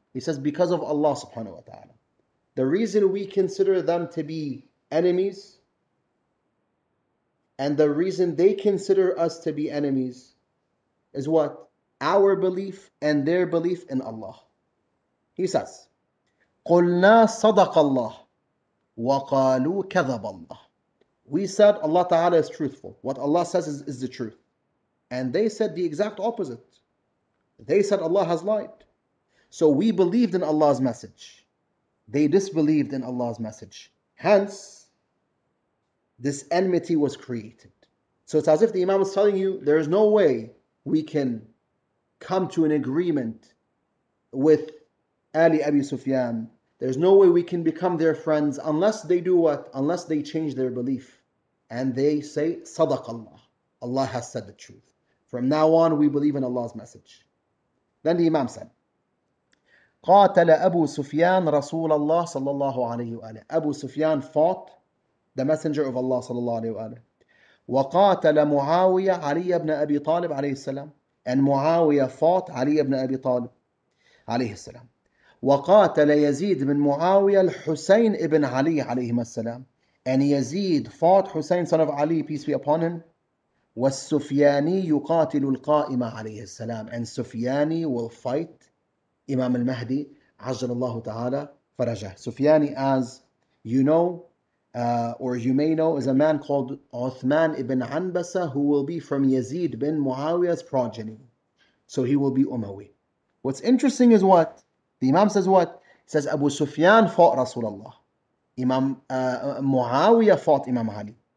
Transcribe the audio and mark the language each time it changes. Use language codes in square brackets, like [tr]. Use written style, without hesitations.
[en] He says, because of Allah subhanahu wa ta'ala. The reason we consider them to be enemies and the reason they consider us to be enemies is what? Our belief and their belief in Allah. He says, [ar] قُلْنَا صَدَقَ اللَّهِ وَقَالُوا كَذَبَ اللَّهِ. [en] We said Allah ta'ala is truthful. What Allah says is the truth. And they said the exact opposite. They said Allah has lied. So we believed in Allah's message. They disbelieved in Allah's message. Hence, this enmity was created. So it's as if the Imam is telling you, there is no way we can come to an agreement with Ali Abi Sufyan. There's no way we can become their friends unless they do what? Unless they change their belief. And they say, Sadaq Allah. Allah has said the truth. From now on, we believe in Allah's message. Then the Imam said, [ar] قَاتَلَ أَبُو سُفْيَانَ رَسُولَ اللَّهِ صَلَّى اللَّهُ عَلَيْهُ وَآلِهِ [en] Abu Sufyan fought the messenger of Allah [ar] صلى الله عليه وآله. وَقَاتَلَ مُعَاوِيَ عَلِيَّ بْنَ أَبِي طَالِبَ عَلَيْهِ السَّلَامِ [en] And Muawiyah fought Ali ibn Abi Talib [ar] عليه السلام. وَقَاتَلَ يَزِيد بِن مُعَاوِيَ الْحُسَيْنِ [en] ibn Ali عَلَيْهِمَ السَّلَامِ And Yazid fought Hussein son of Ali, peace be upon him. [ar] وَالسُّفْيَانِي يُقَاتِلُ الْقَائِمَ عَلَيْهِ السَّلَامِ [en] And Sufyani will fight Imam al-Mahdi [ar] عجل الله تعالى فرجه. [en] Sufyani, as you know, or you may know, is a man called Uthman ibn Anbasa, who will be from Yazid bin Muawiyah's progeny. So he will be Umawi. What's interesting is what? The Imam says what? He says Abu Sufyan fought Rasulullah. Imam Muawiyah fought Imam Ali.